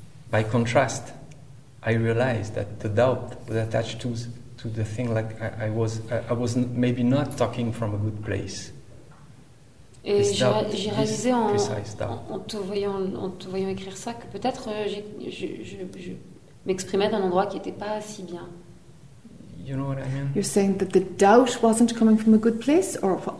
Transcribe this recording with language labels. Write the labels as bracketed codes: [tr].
[en] By contrast, I realized that the doubt was attached to the thing, like I was maybe not talking from a good place. [fr] Et j'ai réalisé en te voyant écrire ça que peut-être je m'exprimais d'un endroit qui n'était pas si bien. [en] You know what I mean? You're saying that the doubt wasn't coming from a good place, or